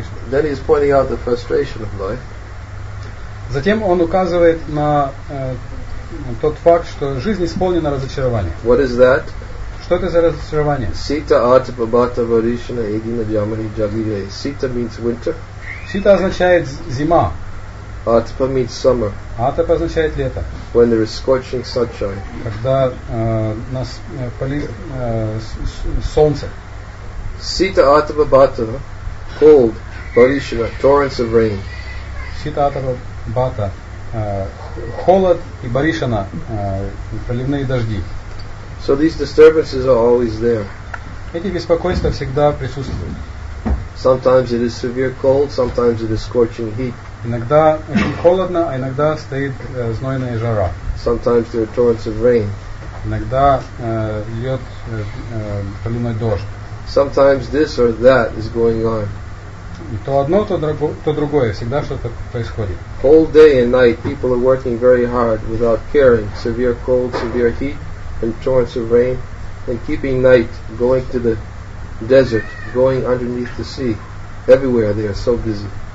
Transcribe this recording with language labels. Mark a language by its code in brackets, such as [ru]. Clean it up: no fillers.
[en] Then he is pointing out the frustration of life. [ru] Затем он указывает на тот факт, что жизнь исполнена разочарования. [en] What is that? [ru] Что это за разочарование? [bn] Sita atipabata varishana edina jamani jagire. [en] Sita means winter. [ru] Sita означает зима. [en] Atipa means summer. [ru] Atipa означает лето. [en] When there is scorching sunshine. [ru] Когда нас палит солнце. [bn] Sita atipabata, [en] cold, varishana, torrents of rain. [bn] Sita atipabata. [ru] Бата, холод и баришана, проливные дожди. [en] So these disturbances are always there. [ru] Эти беспокойства всегда присутствуют. [en] Sometimes it is severe cold, sometimes it is scorching heat. [ru] Иногда очень холодно, а иногда стоит знойная жара. [en] Sometimes there are torrents of rain. [ru] Иногда льет проливной дождь. [en] Sometimes this or that is going on. [ru] То одно, то другое, всегда что-то происходит. [en] All day and night people are working very hard without caring, severe cold, severe heat and torrents of rain, and keeping night, going to the desert, going underneath the sea. Everywhere they are so busy.